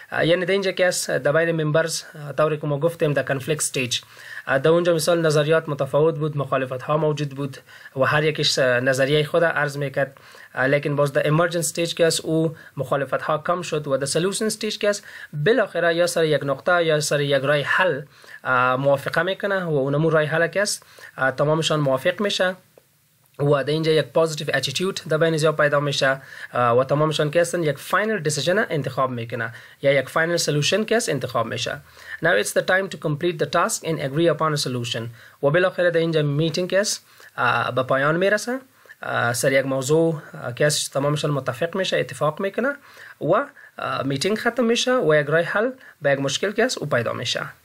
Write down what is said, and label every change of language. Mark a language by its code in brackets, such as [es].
[fa] یعنی در اینجا که است در بین ممبرز طوری که ما گفتیم در کنفلیکت ستیج در اونجا مثال نظریات متفاوت بود، مخالفت ها موجود بود و هر یکیش نظریه خود عرض میکرد، لیکن باز در ایمرجنس ستیج که است او مخالفت ها کم شد و در سلوشن ستیج که است بالاخره یا سر یک نقطه یا سر یک رای حل موافقه میکنه و اونمون رای حل که است تمامشان موافق میشه و در اینجا یک پوزیتیو اتیتیود در بین زیاد پیدا میشه و تمامشان که هستن یک فاینل دیسیژن انتخاب میکنه یا یک فاینل سلوشن که هست انتخاب میشه. [en] Now it's the time to complete the task and agree upon a solution. [fa] و بالاخره در اینجا میتینگ که هست به پایان میرسه، سر یک موضوع که هست تمامشان متفق میشه، اتفاق میکنه و میتینگ ختم میشه و یک رای حل به یک مشکل که هست او پیدا میشه.